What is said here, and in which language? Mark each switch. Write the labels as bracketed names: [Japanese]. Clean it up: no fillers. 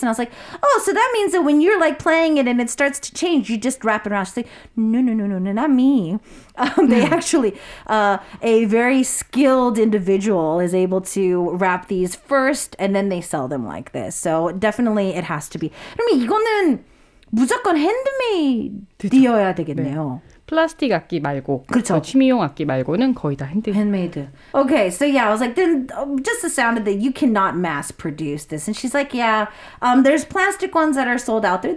[English] And I was like, oh, so that means that when you're like playing it and it starts to change, you just wrap it around. She's like, no, not me. They actually, a very skilled individual is able to wrap these first and then they sell them like this. So definitely it has to be. [Korean] 그러면 이거는 무조건 핸드메이드여야 되겠네요. 네. 플라스틱 악기 말고 그렇죠. 그 취미용 악기 말고는 거의 다 핸드메이드. [English] Okay, so yeah, I was like, then just the sound of that you cannot mass produce this. And she's like, yeah, there's plastic ones that are sold out there.